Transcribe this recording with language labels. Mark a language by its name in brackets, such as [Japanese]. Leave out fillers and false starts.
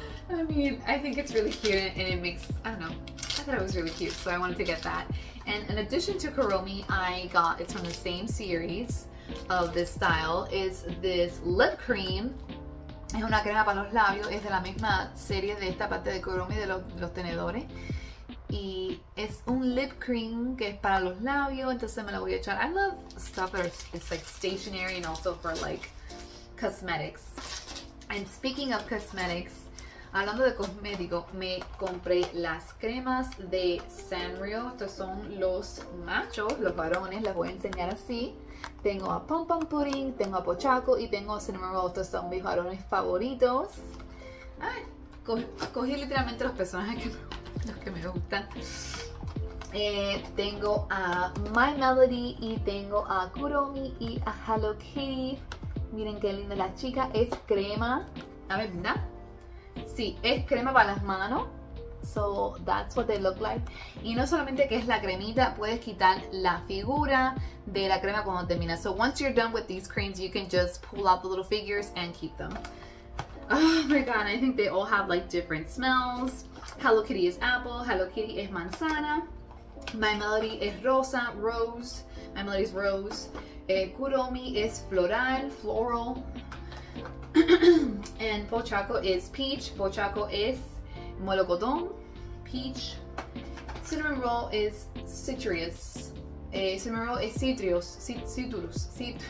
[English] I mean, I think it's really cute, and it makes, I don't know, I thought it was really cute, so I wanted to get that. And in addition to Kuromi, I got, it's from the same series of this style, is this lip cream. [Spanish] Es una crema para los labios, es de la misma serie de esta parte de Kuromi de los tenedores. Y es un lip cream que es para los labios, entonces me lo voy a echar. [English] I love stuff that is like stationary and also for like cosmetics. And speaking of cosmetics, [Spanish] hablando de cosmético, me compré las cremas de Sanrio. Estos son los machos, los varones, les voy a enseñar así. Tengo a Pom Pom Pudding, tengo a Pochaco y tengo a Cinnamon Roll. Estos son mis varones favoritos. Ay, cogí literalmente los personajes que me gustan. Tengo a My Melody y tengo a Kuromi y a Hello Kitty. Miren qué linda la chica. Es crema. A ver, ¿verdad? Sí, es crema para las manos. [English] So that's what they look like. [Spanish] Y no solamente que es la cremita, puedes quitar la figura de la crema cuando termina. [English] So once you're done with these creams, you can just pull out the little figures and keep them. Oh my god, I think they all have like different smells. Hello Kitty is apple, Hello Kitty is manzana, My Melody is rosa, rose, My Melody is rose, Kuromi is floral, and Pochaco is peach, Pochaco is molocotón, peach, Cinnamon Roll is citrus, Cinnamon Roll is citrus,